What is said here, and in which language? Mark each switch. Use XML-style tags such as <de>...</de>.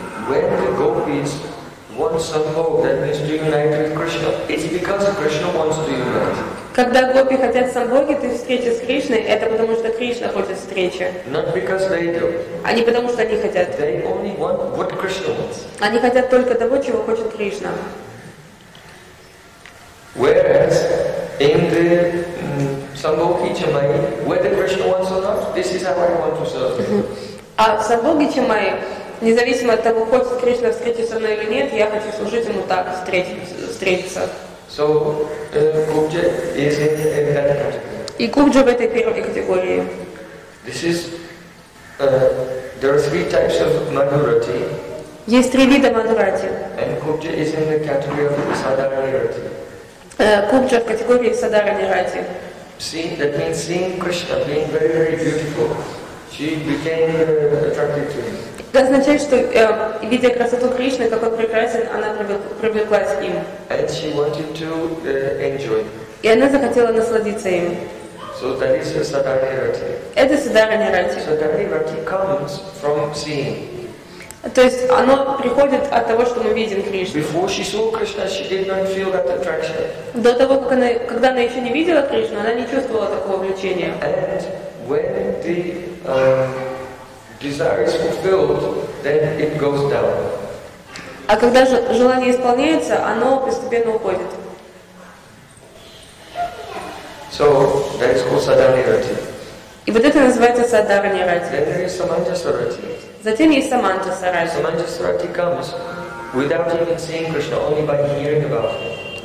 <en>When the gopis want sambhog, that means to unite with Krishna, it's because Krishna wants to unite.</en> <ru>Когда гопи хотят самбоги, то есть встречи с Кришной, это потому что Кришна хочет встречи.</ru> <en>Not because they do.</en> <ru>Они потому что они хотят.</ru> <en>They only want what Krishna wants.</en> <ru>Они хотят только того, чего хочет Кришна.</ru> <en>Whereas in the Самбхоги Чамай, whether Krishna wants or not, this is how I want to serve him.</en> <ru>А в Самбхоги Чамай, независимо от того, хочет Кришна встретиться со мной или нет, я хочу служить ему так, встретиться.</ru> <en>So, Kubja is in that category.</en> <ru>И Kubja в этой первой категории.</ru> <en>This is, there are three types of Madhurati.</en> <ru>Есть три вида Madhurati.</ru> <en>And Kubja is in the category of Sadharanirati.</en> <ru>Kubja в категории Sadharanirati.</ru> <en>Seeing that means seeing Krishna being very very beautiful, she became attracted to him.</en> <ru>Это означает, что видя красоту Кришны, как он прекрасен, она привлеклась к ним.</ru> <en>And she wanted to enjoy.</en> <ru>И она захотела насладиться им.</ru> <en>So that is Sadharanirati.</en> <ru>Это Sadharanirati.</ru> <en>Sadharanirati comes from seeing.</en> <ru>То есть оно приходит от того, что мы видим Кришну.</ru> <en>Before she saw Krishna, she did not feel that attraction.</en> <ru>До того, как она, когда она еще не видела Кришну, она не чувствовала такого влечения.</ru> <en>And when the desire is fulfilled, then it goes down.</en> <ru>А когда желание исполняется, оно постепенно уходит.</ru> <en>So that is called Sadharanirati.</en> <ru>И вот это называется Sadharanirati.</ru> <en>Then there is Samanjasarati.</en> <ru>Затем есть Саманта Сарати.</ru> <en>Саманта Сарати comes without even seeing Krishna, only by hearing about him.</en>